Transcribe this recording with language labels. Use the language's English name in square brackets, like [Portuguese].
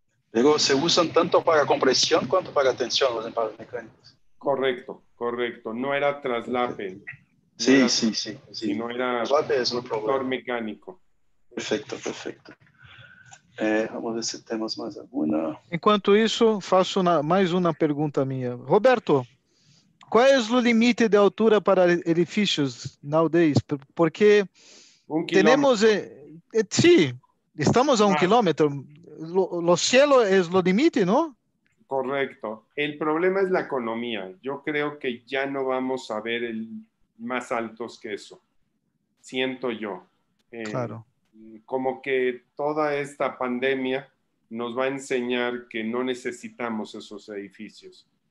[Spanish] Pero se usan tanto para compresión cuanto para tensión los empalmes mecánicos. Correcto, correcto. No era traslape. Sí, no era, sí, sí, sí. Sino era motor mecánico. Perfecto, perfecto. Vamos ver si tenemos más alguna. [Portuguese] Enquanto isso, faço mais uma pergunta minha. Roberto, qual é o limite de altura para edifícios nowadays? Porque temos... Sim, estamos a um quilômetro... [Spanish] Los cielos es lo limite, ¿no? Correcto. El problema es la economía. Yo creo que ya no vamos a ver el más altos que eso. Siento yo. Claro. Como que toda esta pandemia nos va a enseñar que no necesitamos esos edificios.